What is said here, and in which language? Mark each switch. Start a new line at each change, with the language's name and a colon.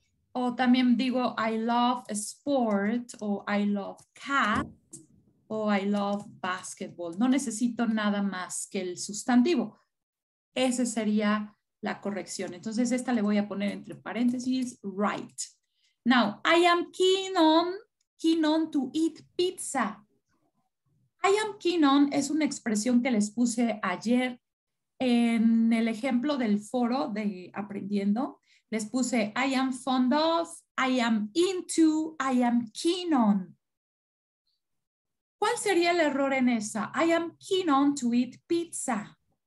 Spanish: O también digo,
English: I love sport, o I love cat, o I love basketball.
Spanish: No necesito nada más que el sustantivo. Ese sería la corrección. Entonces, esta le voy a poner entre paréntesis, write.
English: Now, I am keen on to eat pizza. I am keen on
Spanish: es una expresión que les puse ayer en el ejemplo del foro de Aprendiendo. Les puse
English: I am fond of, I am into, I am keen on.
Spanish: ¿Cuál sería el error en esa?
English: I am keen on to eat pizza.